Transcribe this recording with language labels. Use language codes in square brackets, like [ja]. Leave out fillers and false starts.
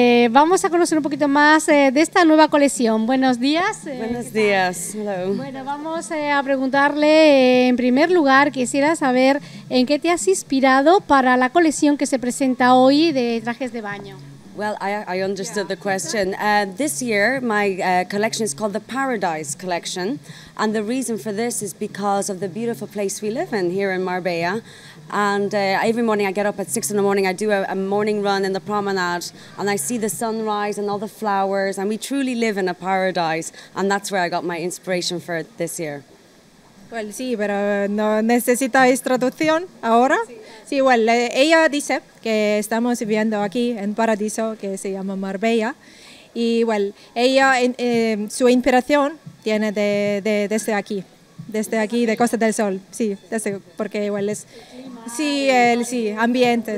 [es] Vamos a conocer un poquito más de esta nueva colección. Buenos días. Buenos días. [en] Hello. [es] Bueno, vamos a preguntarle en primer lugar, quisiera saber en qué te has inspirado para la colección que se presenta hoy de trajes de baño. [en] Well, I understood the question. This year, my collection is called the Paradise Collection. And the reason for this is because of the beautiful place we live in here in Marbella. And every morning I get up at 6 a.m, I do a morning run in the promenade, and I see the sunrise and all the flowers, and we truly live in a paradise. And that's where I got my inspiration for this year. [es] Well, sí, pero no necesitáis traducción ahora. Sí, igual, sí, well, ella dice que estamos viviendo aquí en paraíso que se llama Marbella. Y bueno, ella, su inspiración viene desde aquí, de Costa del Sol. Sí, desde, porque igual es. Sí, el sí, ambiente,